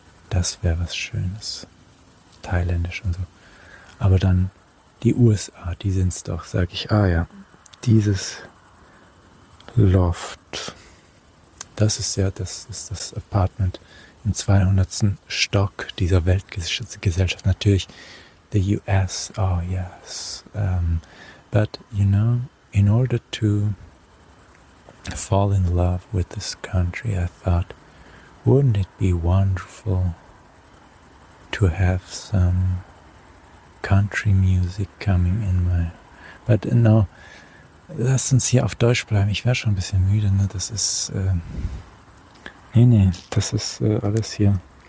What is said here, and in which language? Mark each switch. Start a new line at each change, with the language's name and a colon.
German: Das wäre was Schönes. Thailändisch und so. Aber dann die USA, die sind es doch, sage ich. Ah ja, dieses Loft. Das ist ja, das ist das Apartment im 200. Stock dieser Weltgesellschaft. Natürlich
English: the US, oh yes. But you know, in order to fall in love with this country, I thought, wouldn't it be wonderful to have some country music coming in my... But no,
German: lass uns hier auf Deutsch bleiben. Ich wäre schon ein bisschen müde, ne? Das ist... Nee, das ist alles hier.